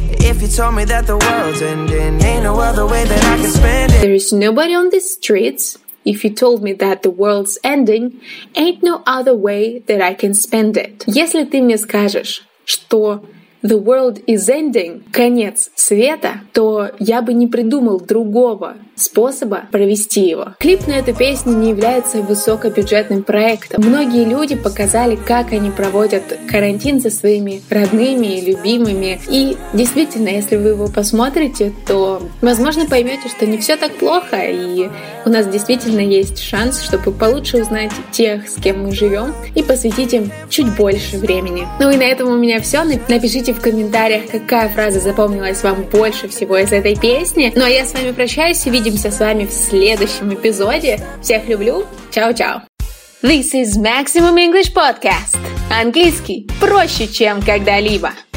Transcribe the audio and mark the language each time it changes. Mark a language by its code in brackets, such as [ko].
[en] There is nobody on these streets. If you told me that the world's ending, ain't no other way that I can spend it. [ru] Если ты мне скажешь, что [en] the world is ending, [ru] конец света, то я бы не придумал другого способа провести его. Клип на эту песню не является высокобюджетным проектом. Многие люди показали, как они проводят карантин со своими родными и любимыми. И действительно, если вы его посмотрите, то, возможно, поймете, что не все так плохо, и у нас действительно есть шанс, чтобы получше узнать тех, с кем мы живем, и посвятить им чуть больше времени. Ну и на этом у меня все. Напишите в комментариях, какая фраза запомнилась вам больше всего из этой песни. Ну а я с вами прощаюсь. Увидимся с вами в следующем эпизоде. Всех люблю. Чао-чао. [en] This is Maximum English Podcast. [ru] Английский проще, чем когда-либо.